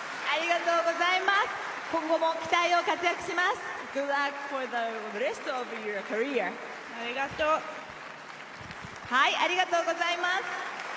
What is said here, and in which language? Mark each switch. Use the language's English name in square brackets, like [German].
[Japanese] ありがとうございます。今後も期待を活躍します。 [English] Good luck for the rest of your career. [Japanese] ありがとう。はい、ありがとうございます。